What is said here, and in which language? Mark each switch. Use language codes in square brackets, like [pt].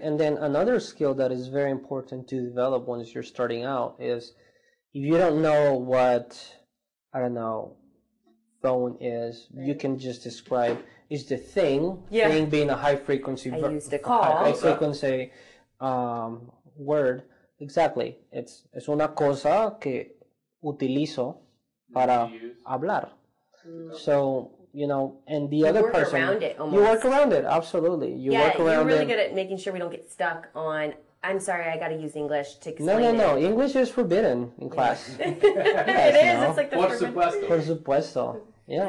[en] And then another skill that is very important to develop once you're starting out is, if you don't know what, I don't know, phone is, you can just describe, is the thing, thing being a high frequency verb. I used to call. High frequency word. Exactly. [es] Es una cosa que utilizo para hablar. [en] So, you know, and the other person. You work around it almost. You work around it, absolutely. You work around it. You're really good at making sure we don't get stuck on, I'm sorry, I got to use English to explain. No. English is forbidden in class. Yes, it is. You know? It's like the [es] por supuesto. Por supuesto. Yeah.